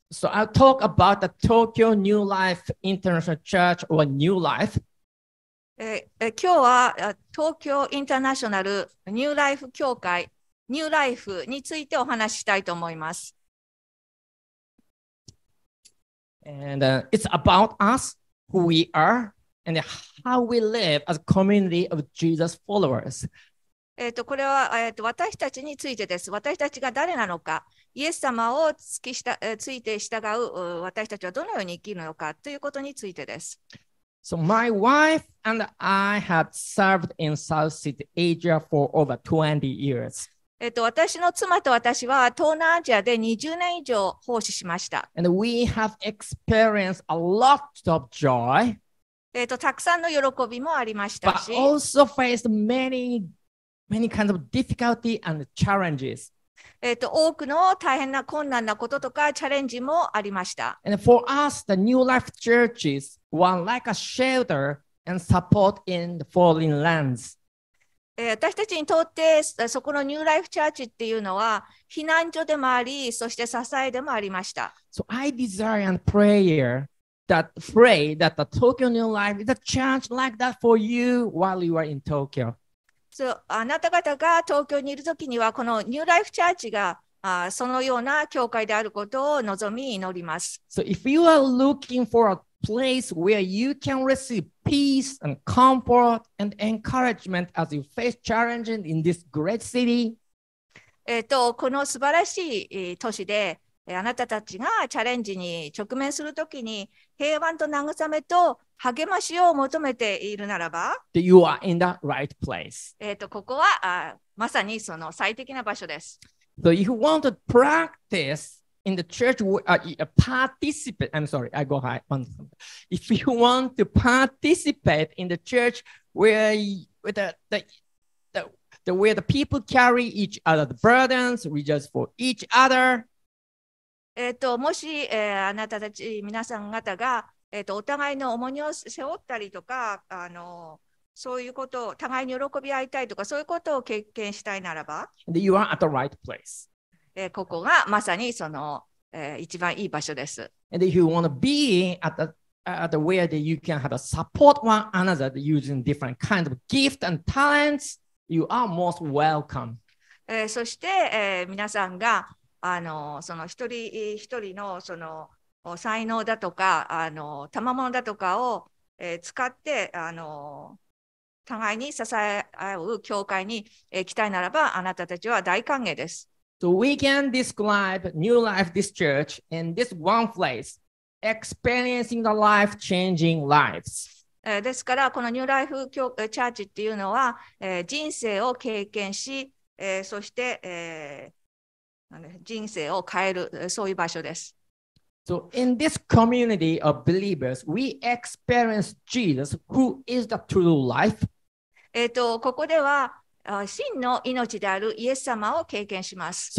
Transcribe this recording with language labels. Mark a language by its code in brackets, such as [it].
[en] So I'll talk about the Tokyo New Life International Church or New Life. [ja] 今日は東京インターナショナルニューライフ教会ニューライフについてお話ししたいと思います。 [en] And it's about us, who we are, and how we live as a community of Jesus followers. [ja] これは私たちについてです。私たちが誰なのか、イエス様をついて従う私たちはどのように生きるのかということについてです。 [en] So my wife and I have served in Southeast Asia for over 20 years. [ja] 私の妻と私は東南アジアで20年以上奉仕しました。 [en] And we have experienced a lot of joy. [ja] たくさんの喜びもありましたし。 [en] But also faced many, many kinds of difficulty and challenges. [ja] 多くの大変な困難なこととかチャレンジもありました。 [en] And for us, the New Life Churches were like a shelter and support in the fallen lands. [ja] 私たちにとってそこのニューライフチャーチっていうのは避難所でもあり、そして支えでもありました。 [en] So I desire and pray that the Tokyo New Life is a church like that for you while you are in Tokyo. [ja] So, あなた方が東京にいるときにはこのニューライフチャーチがそのような教会であることを望み祈ります。 [en] So if you are looking for a place where you can receive peace and comfort and encouragement as you face challenges in this great city, [ja] この素晴らしい都市であなたたちがチャレンジに直面するときに平安と慰めと励ましを求めているならば、 [en] you are in the right place. [ja] ここはまさにその最適な場所です。 [en] So if you want to practice in the church, participate. I'm sorry, I go high. If you want to participate in the church where the people carry each other's burdens, rejoice for each other. [ja] もし、あなたたち皆さん方がお互いの重荷を背負ったりとか、そういうことを互いに喜び合いたいとか、そういうことを経験したいならば、 [en] you are at the right place. [ja] ここがまさにその、一番いい場所です。 [en] And if you want to be at the where that you can have a support one another using different kinds of gifts and talents, you are most welcome. [ja] そして、皆さんが、その一人一人のその才能だとか賜物だとかを使って互いに支え合う教会に来たいならばあなたたちは大歓迎です。 [en] So we can describe New Life this church in this one place, experiencing the life changing lives. [ja] ですからこのニューライフチャーチっていうのは人生を経験しそして人生を変えるそういう場所です。 [en] So in this community of believers, we experience Jesus, who is the true life. [ja] ここでは真の命であるイエス様を経験します。